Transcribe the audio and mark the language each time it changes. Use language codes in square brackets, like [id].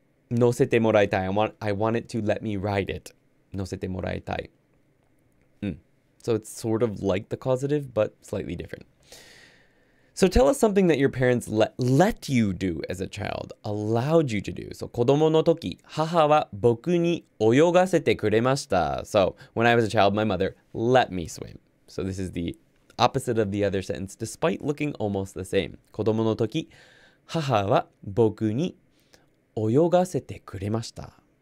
[ja] 乗せてもらいたい。 [en] I want it to let me ride it. [ja] 乗せてもらいたい。 [en] So it's sort of like the causative, but slightly different. So tell us something that your parents let you do as a child, allowed you to do. [ja] So 子供の時、母は僕に泳がせてくれました。 [en] So when I was a child, my mother let me swim. So this is the opposite of the other sentence, despite looking almost the same. [ja] 子供の時、母は僕に泳がせてくれました。